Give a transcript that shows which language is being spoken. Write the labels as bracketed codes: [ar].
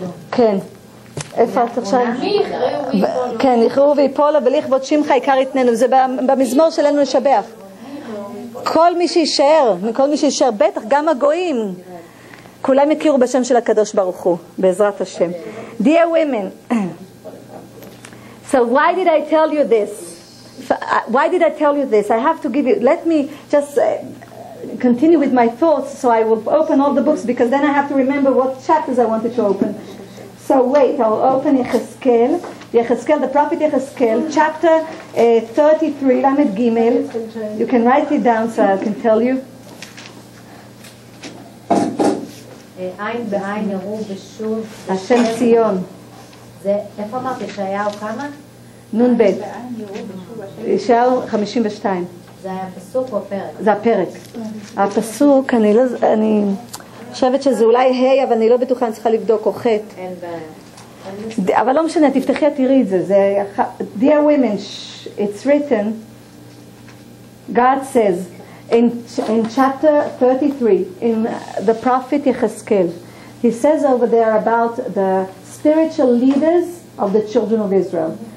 [he] Ken, יחרו ויפולו ולכבוד שמך עיקר יתננו. זה במזמור שלנו לשבח. כל מי שישאר, בטח, גם הגויים. כולם יכירו בשם של הקדוש ברוך הוא, בעזרת השם. [en] Dear women, so why did I tell you this? Why did I tell you this? I have to give you, let me just continue with my thoughts, so I will open all the books, because then I have to remember what chapters I wanted to open. So wait, I'll open Yechezkel, Yechezkel, the prophet Yechezkel, chapter 33, Lamed Gimel. You can write it down so I can tell you. [he] עין בעין יראו ושוב השם ציון. זה איפה אמרת ישעיהו כמה? נון ב' ישעיהו 52. זה היה פסוק או פרק? זה הפרק. הפסוק, אני לא, אני חושבת שזה אולי ה', אבל אני לא בטוחה, אני צריכה לבדוק, או ח'. אין בעיה, אבל לא משנה, תפתחי, תראי את זה. [en] זה Dear women, it's written, God says in chapter 33 in the prophet Yechezkel, he says over there about the spiritual leaders of the children of Israel.